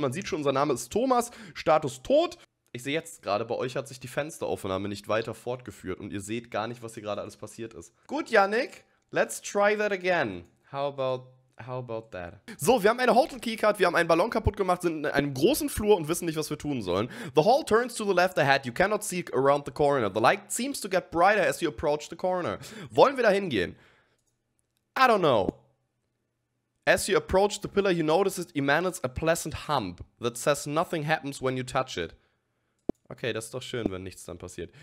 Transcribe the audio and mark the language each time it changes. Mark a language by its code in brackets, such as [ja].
[de] Man sieht schon, unser Name ist Thomas, Status tot. Ich sehe jetzt gerade, bei euch hat sich die Fensteraufnahme nicht weiter fortgeführt und ihr seht gar nicht, was hier gerade alles passiert ist. [en] Gut, Yannick, let's try that again. How about that? [de] So, wir haben eine Hotel-Keycard, wir haben einen Ballon kaputt gemacht, sind in einem großen Flur und wissen nicht, was wir tun sollen. [en] The hall turns to the left ahead, you cannot see around the corner. The light seems to get brighter as you approach the corner. [de] Wollen wir da hingehen? [en] I don't know. As you approach the pillar, you notice it emanates a pleasant hump that says nothing happens when you touch it. [de] Okay, das ist doch schön, wenn nichts dann passiert.